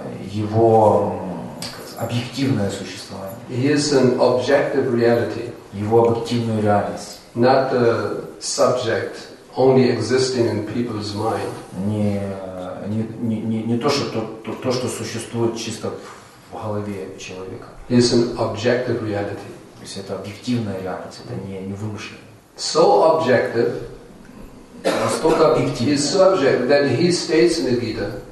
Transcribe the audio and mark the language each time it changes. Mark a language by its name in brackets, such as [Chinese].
[Russian] Его объективное существование. [English] He is an objective reality. [Russian] Его объективную реальность. [English] Not the subject only existing in people's mind. [Russian] Не то, что то, что существует чисто в голове человека. [English] He is an objective reality. [Russian] То есть это объективная реальность, это не вымышленное. [English] So objective. [Russian] Настолько объективно. [English] His subject that he states in the Gita.